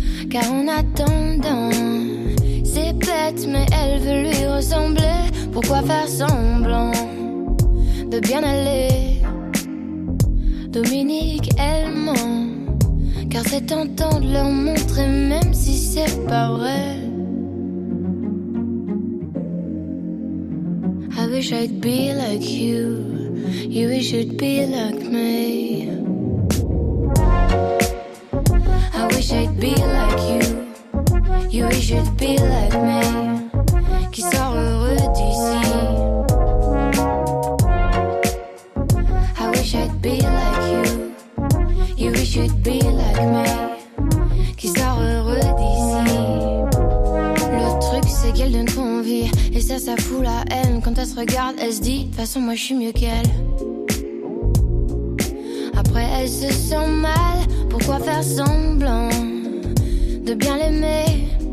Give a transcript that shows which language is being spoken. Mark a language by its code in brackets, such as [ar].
[fr] Car en attendant, c'est bête, mais elle veut lui ressembler. Pourquoi faire semblant de bien aller? Dominique, elle ment. Car c'est tentant de leur montrer, même si c'est pas vrai. [en] I wish I'd be like you, you wish you'd be like me. I wish I'd be like you, you wish you'd be like me. [fr] Qui sort heureux d'ici. [en] I wish I'd be like you, you wish you'd be like me. [fr] Qui sort heureux d'ici. Le truc c'est qu'elle donne trop envie et ça, ça fout la haine. Quand elle se regarde, elle se dit, de toute façon moi je suis mieux qu'elle. Après elle se sent mal, pourquoi faire semblant de bien l'aimer?